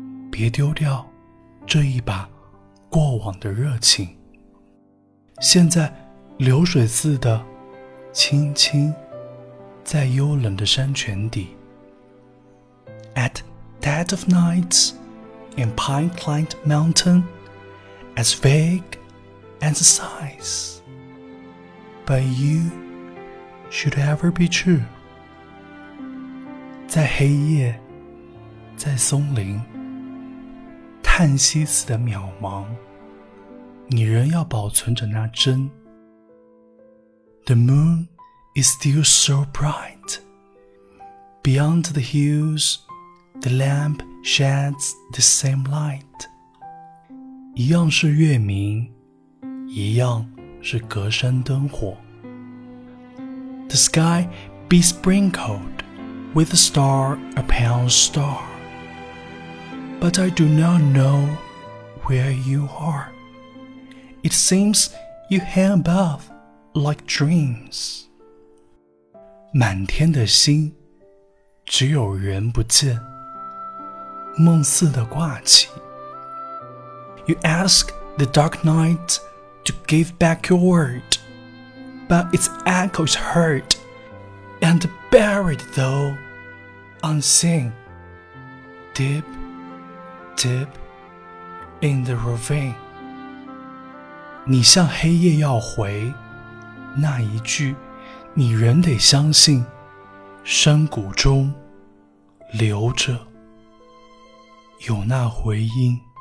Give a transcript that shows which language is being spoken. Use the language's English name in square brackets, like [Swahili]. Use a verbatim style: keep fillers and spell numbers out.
[Chinese] 别丢掉这一把过往的热情，现在流水似的轻轻在幽冷的山泉底。 [English] At dead of night in pine-clad mountain, as vague as a sighs, but you should ever be true. [Chinese] 在黑夜，在松林，叹息似的渺茫，你仍要保存着那真。 [English] The moon is still so bright. Beyond the hills, the lamp sheds the same light. [Chinese] 一样是月明，一样是隔山灯火。 [English] The sky besprinkled with star upon star, but I do not know where you are. It seems you hang above like dreams. [Chinese] 满天的星，只有人不见，梦似的挂起。 [English] You ask the dark night to give back your word, but its echo is heard and buried, though unseen, deep, deep in the ravine. [Chinese] 你向黑夜要回那一句，你仍得相信，山谷中留着有那回音。